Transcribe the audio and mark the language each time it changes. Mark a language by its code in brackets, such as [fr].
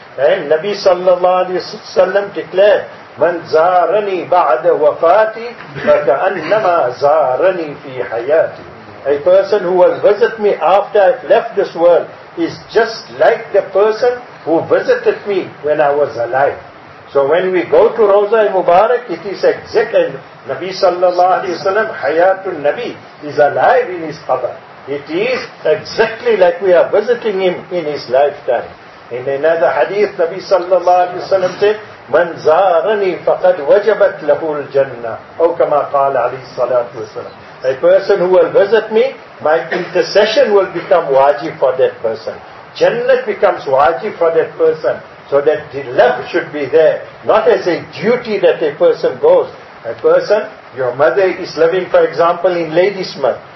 [en] And Nabi sallallahu alayhi wa sallam declared, [ar] من زارني بعد وفاتي فكأنما زارني في حياتي. [en] A person who will visit me after I've left this world is just like the person who visited me when I was alive. So when we go to Rauza Mubarak, it is exact, and Nabi sallallahu alayhi wa sallam, Hayatul Nabi, is alive in his qabr. It is exactly like we are visiting him in his lifetime. In another hadith, Nabi sallallahu alayhi wa sallam said, [ar] من زارني فقد وجبت له الجنة أو كما قال عليه الصلاة والسلام. [en] A person who will visit me, my intercession will become wajib for that person. Jannah becomes wajib for that person. So that the love should be there. Not as a duty that a person goes. A person, your mother is living, for example, in Ladysmith.